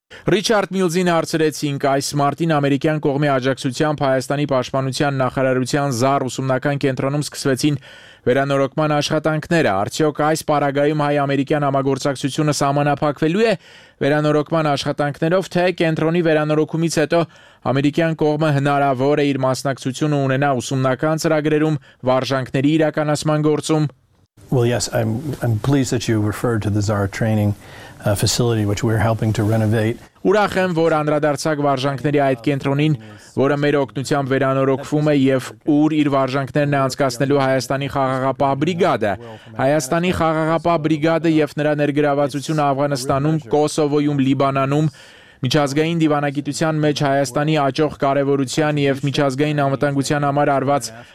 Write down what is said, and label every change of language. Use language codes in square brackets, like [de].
[hy] Ռիչարդ Միլզին հարցրեցինք այս մարտին ամերիկյան կողմի աջակցությամբ Հայաստանի պաշտպանության նախարարության ԶԱՌ ուսումնական կենտրոնում սկսվեցին վերանորոգման աշխատանքները, արդյոք այս պարագայում հայ-ամերիկյան համագործակցությունը սահմանափակվելու է վերանորոգման աշխատանքներով, թե կենտրոնի վերանորոգումից հետո ամերիկյան կողմը հնարավոր է իր մասնակցությունը ունենա ուսումնական ծրագրերում, վարժանքների իրականացման գործում։ [en] Well, yes, I'm pleased that you referred to the ZAR training facility, which we're helping to renovate. [hy] Ուրախ եմ, որ անդրադարձակ վարժանքների այդ կենտրոնին, որը մեր օգնությամբ վերանորոգվում է եւ ուր իր վարժանքներն է անցկացնելու Հայաստանի խաղաղապահ բրիգադը։ Հայաստանի խաղաղապահ բրիգադը եւ նրա ներգրավվածությունը Աֆղանստանում, Կոսովոյում, Լիբանանում միջազգային դիվանագիտության մեջ Հայաստանի աճող կարևորության եւ միջազգային անվտանգության համար արված